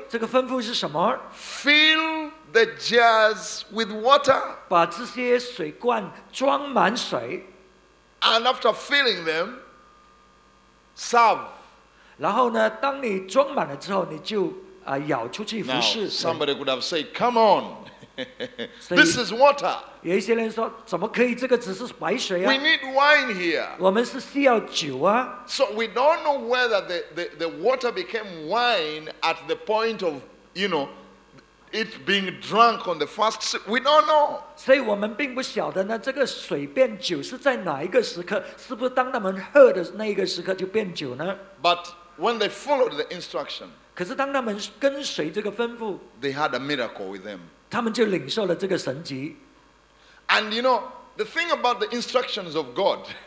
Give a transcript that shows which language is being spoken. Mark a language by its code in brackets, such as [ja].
[zh] 这个吩咐是什么? [en] Fill the jars with water. [zh] 把这些水罐装满水, [en] and after filling them, serve. [zh] 然后呢，当你装满了之后，你就 舀出去服侍。 [en] Now, somebody could have said, "Come on, this is water." [zh] 有一些人说，怎么可以？这个只是白水啊。 [en] We need wine here. [zh] 我们是需要酒啊。 [en] So we don't know whether the water became wine at the point of, you know, it being drunk on the first. We don't know. [zh] 所以我们并不晓得呢，这个水变酒是在哪一个时刻？是不是当他们喝的那一个时刻就变酒呢？ [en] But when they followed the instruction, [zh] 可是当他们跟随这个吩咐, [en] they had a miracle with them. [zh] 他们就领受了这个神迹。 [en] And you know, the thing about the instructions of God,